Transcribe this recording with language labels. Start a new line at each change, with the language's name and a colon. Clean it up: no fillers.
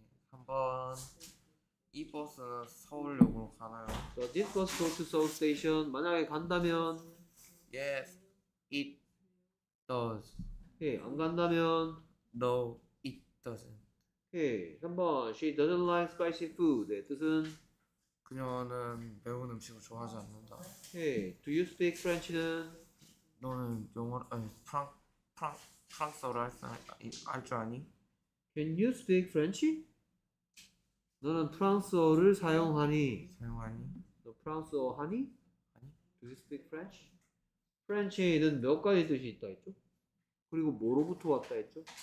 Korean: 한번 이 버스는 서울역으로 가나요?
English: So this bus goes to Seoul Station.
Korean: 만약에 간다면.
English: Yes, it does.
Korean: Hey, 안 간다면.
English: No, it doesn't.
Korean: Hey, 3번.
English: She doesn't like spicy food.
Korean: 뜻은. 그녀는 매운 음식을 좋아하지 않는다.
English: Hey, do you speak French는?
Korean: 너는 영어를 아니 프랑스어를 알줄 아니?
English: Can you speak French?
Korean: 너는 프랑스어를 사용하니? 사용하니? 너 프랑스어 하니? 아니?
English: Do you speak French?
Korean: French는 몇 가지 뜻이 있다 했죠? 그리고 뭐로부터 왔다 했죠?